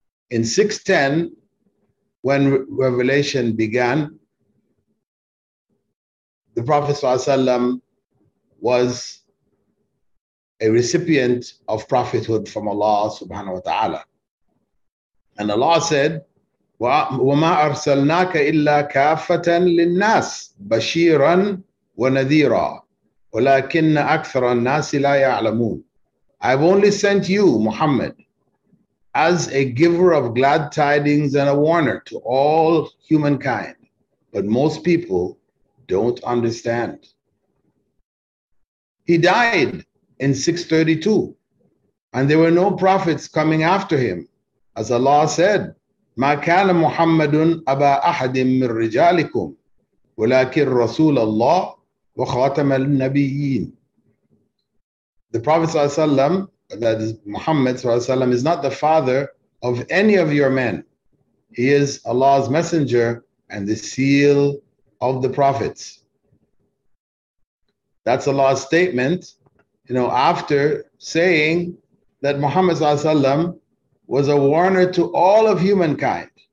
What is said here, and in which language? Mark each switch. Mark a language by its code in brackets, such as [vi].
[en] In 610, when revelation began, the Prophet ﷺ was a recipient of prophethood from Allah subhanahu wa ta'ala. [ar] And Allah said, "وَمَا أَرْسَلْنَاكَ إِلَّا كَافَّةً لِلنَّاسِ بَشِيرًا وَنَذِيرًا وَلَكِنَّ أَكْثَرَ النَّاسِ لَا يَعْلَمُونَ." [en] I've only sent you, Muhammad, as a giver of glad tidings and a warner to all humankind. But most people don't understand. He died in 632, and there were no prophets coming after him. [ar] As Allah said, "مَا كَانَ مُحَمَّدٌ أَبَا أَحَدٍ مِّن رِجَالِكُمْ وَلَكِنْ رَسُولَ اللَّهِ وَخَاتَمَ النَّبِيِّينَ." [en] The Prophet ﷺ, that is Muhammad ﷺ, is not the father of any of your men. He is Allah's messenger and the seal of the prophets. That's Allah's statement, you know, after saying that Muhammad ﷺ was a warner to all of humankind.